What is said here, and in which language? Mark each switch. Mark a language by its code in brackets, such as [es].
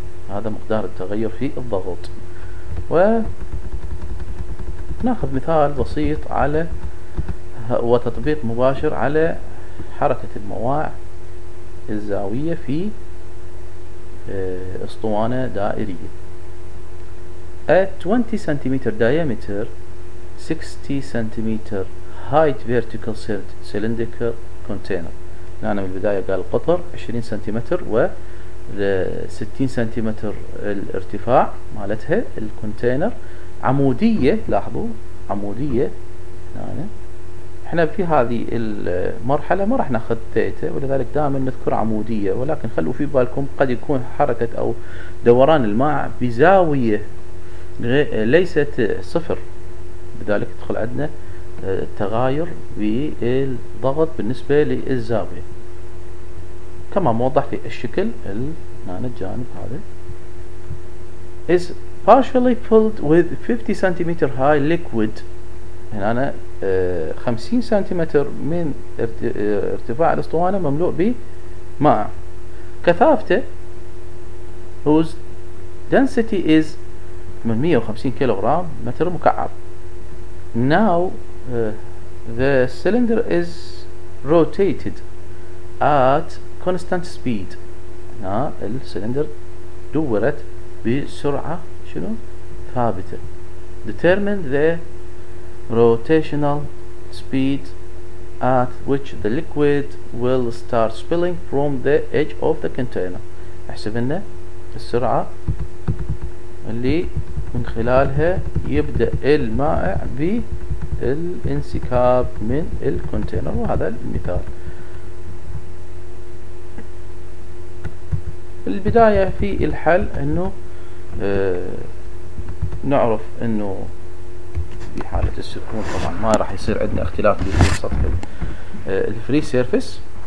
[ar] هذا مقدار التغير في الضغط. وناخذ مثال بسيط على وتطبيق مباشر على حركة المواع الزاوية في اسطوانة دائرية. [en] A 20 سنتيمتر diameter 60 سنتيمتر height vertical cylindrical container. [ar] أنا من البداية قال القطر 20 سنتيمتر و 60 سنتيمتر الارتفاع مالتها الكونتينر عمودية. لاحظوا عمودية، يعني احنا في هذه المرحلة ما راح ناخذ ثيتا، ولذلك دائما نذكر عمودية، ولكن خلوا في بالكم قد يكون حركة او دوران الماء بزاوية ليست صفر، لذلك تدخل عندنا التغير بالضغط بالنسبة للزاوية كما موضح في الشكل الجانب هذا. [en] Is partially filled with 50 centimeter high liquid. [ar] هنا أنا 50 سنتيمتر من ارتفاع الاسطوانة مملوء بماء. كثافته [en] whose density is [ar] 850 كيلوغرام متر مكعب. [en] Now the cylinder is rotated at constant speed. [ar] هنا السلندر دورت بسرعة شنو ثابتة. [en] Determine the rotational speed at which the liquid will start spilling from the edge of the container. [ar] احسب لنا السرعة اللي من خلالها يبدأ المائع بالانسكاب من الكونتينر. وهذا المثال البداية في الحل، انه نعرف انه في حالة السكون طبعا ما راح يصير عندنا اختلاف في سطح الفري سيرفيس.